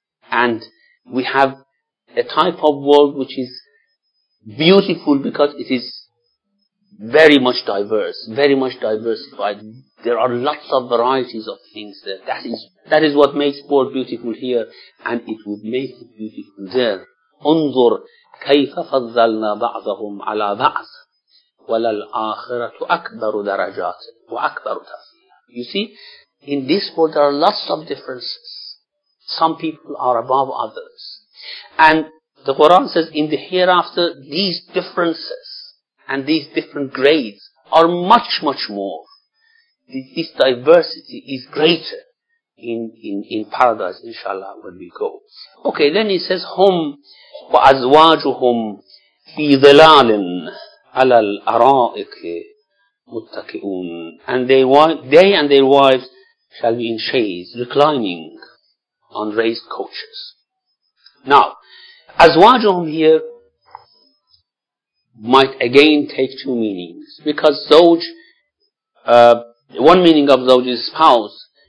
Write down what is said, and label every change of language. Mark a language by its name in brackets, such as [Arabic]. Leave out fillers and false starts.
[English] And we have a type of world which is beautiful because it is very much diverse, very much diversified. There are lots of varieties of things there. That is what makes world beautiful here, and it would make it beautiful there. [Arabic] انظر كيف فضلنا بعضهم على بعض وللآخرة أكبر درجات وأكبر تفضيلا. [English] You see, in this world there are lots of differences. Some people are above others. And the Quran says in the hereafter these differences and these different grades are much, much more. This diversity is greater in paradise, inshallah, when we go. Okay, then he says, [Arabic] هم وأزواجهم في ظلال على الأرائك متكئون. [English] And they and their wives shall be in chaise, reclining on raised couches. Now, أزواجهم here might again take two meanings. Because زوج, one meaning of زوج is spouse.